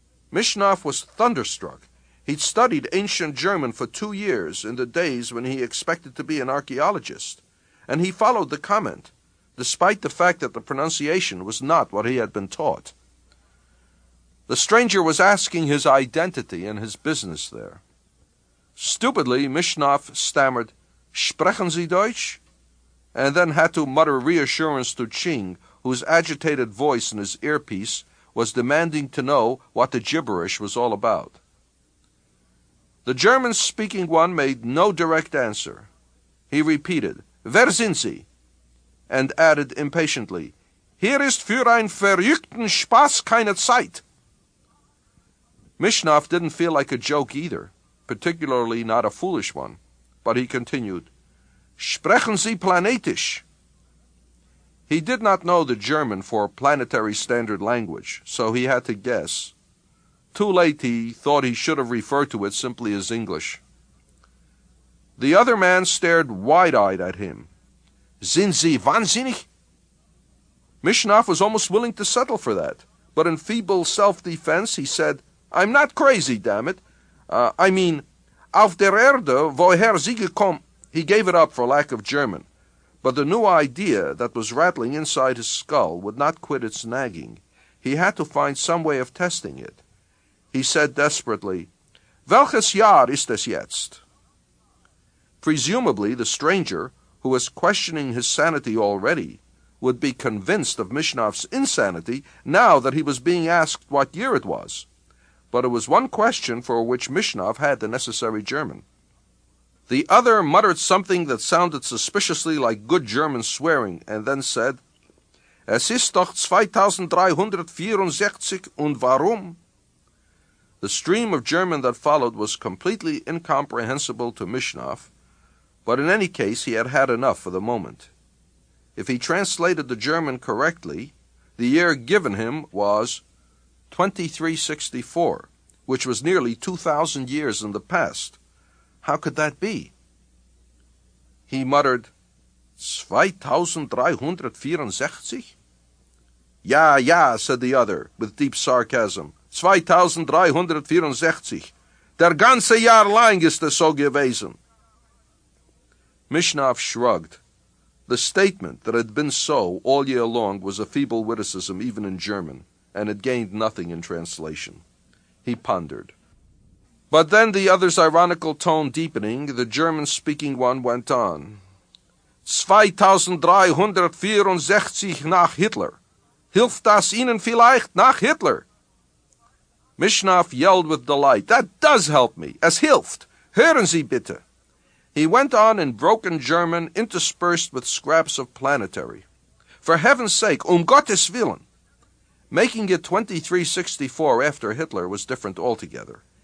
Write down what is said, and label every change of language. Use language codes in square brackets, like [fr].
[en] Mishnov was thunderstruck. He'd studied ancient German for 2 years in the days when he expected to be an archaeologist, and he followed the comment, despite the fact that the pronunciation was not what he had been taught. The stranger was asking his identity and his business there. Stupidly, Mishnov stammered, [de] Sprechen Sie Deutsch? [en] And then had to mutter reassurance to Ching, whose agitated voice in his earpiece was demanding to know what the gibberish was all about. The German-speaking one made no direct answer. He repeated, [de] Wer sind Sie? And added impatiently, Hier ist für ein verrückten Spaß keine Zeit. [en] Mishnov didn't feel like a joke either, particularly not a foolish one, but he continued, [de] Sprechen Sie planetisch? [en] He did not know the German for planetary standard language, so he had to guess. Too late, he thought he should have referred to it simply as English. The other man stared wide-eyed at him. [de] Sind Sie wahnsinnig? [en] Mishnov was almost willing to settle for that, but in feeble self-defense he said, I'm not crazy, damn it. [de] Auf der Erde, woher Sie gekommen? [en] He gave it up for lack of German, but the new idea that was rattling inside his skull would not quit its nagging. He had to find some way of testing it. He said desperately, [de] Welches Jahr ist es jetzt? [en] Presumably, the stranger, who was questioning his sanity already, would be convinced of Mishnov's insanity now that he was being asked what year it was. But it was one question for which Mishnov had the necessary German. The other muttered something that sounded suspiciously like good German swearing, and then said, [de] Es ist doch 2364 und warum? [en] The stream of German that followed was completely incomprehensible to Mishnov, but in any case he had had enough for the moment. If he translated the German correctly, the year given him was 2364, which was nearly 2,000 years in the past. How could that be? He muttered, 2364? Ja, ja, said the other, with deep sarcasm. 2364. [de] Der ganze Jahr lang ist es so gewesen. [en] Mishnov shrugged. The statement that had been so all year long was a feeble witticism even in German, and it gained nothing in translation. He pondered. But then the other's ironical tone deepening, the German-speaking one went on. [de] 2364 nach Hitler. Hilft das Ihnen vielleicht nach Hitler? [en] Mishnov yelled with delight. That does help me. [de] Es hilft. Hören Sie bitte. [en] He went on in broken German, interspersed with scraps of planetary. For heaven's sake, [de] Gottes Willen. [en] Making it 2364 after Hitler was different altogether.